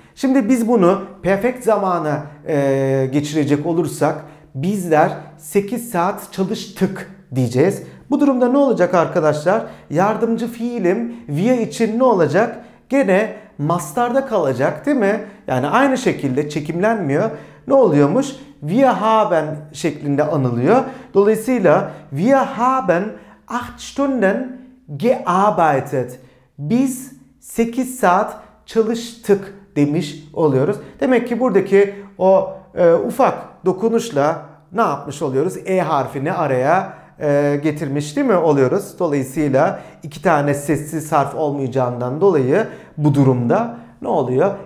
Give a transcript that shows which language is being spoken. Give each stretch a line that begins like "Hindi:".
Turkish: Şimdi biz bunu perfekt zamana geçirecek olursak bizler 8 saat çalıştık diyeceğiz. Bu durumda ne olacak arkadaşlar? Yardımcı fiilim wir için ne olacak? Gene mastarda kalacak, değil mi? Yani aynı şekilde çekimlenmiyor. Ne oluyormuş?
German: Wir haben
Turkish: şeklinde anılıyor.
German: Dolayısıyla wir haben 8 Stunden gearbeitet.
Turkish: Biz 8 saat çalıştık demiş oluyoruz. Demek ki buradaki o ufak dokunuşla ne yapmış oluyoruz? E harfini araya getirmiş, değil mi, oluyoruz. Dolayısıyla iki tane sessiz harf olmayacağından dolayı bu durumda ne oluyor?